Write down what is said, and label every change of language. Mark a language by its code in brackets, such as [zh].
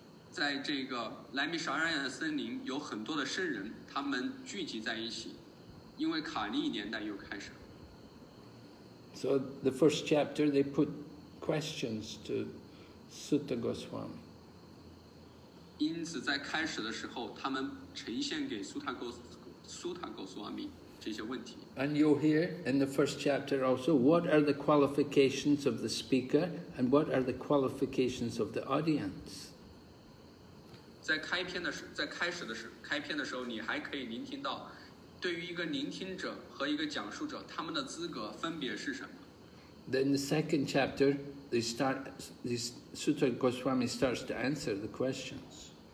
[zh] 在这个莱米沙拉雅森林有很多的圣人，他们聚集在一起，因为卡利年代又开始。 [en] So the first chapter, they put questions to Sutta Goswami. [zh] 因此在开始的时候他们呈现给苏塔戈斯瓦米这些问题。 [en] And you'll hear in the first chapter also, what are the qualifications of the speaker and what are the qualifications of the audience? [zh] 在开篇的时候你还可以聆听到对于一个聆听者和一个讲述者他们的资格分别是什么。 [en] Then the second chapter,Sutta Goswami starts to answer the questions.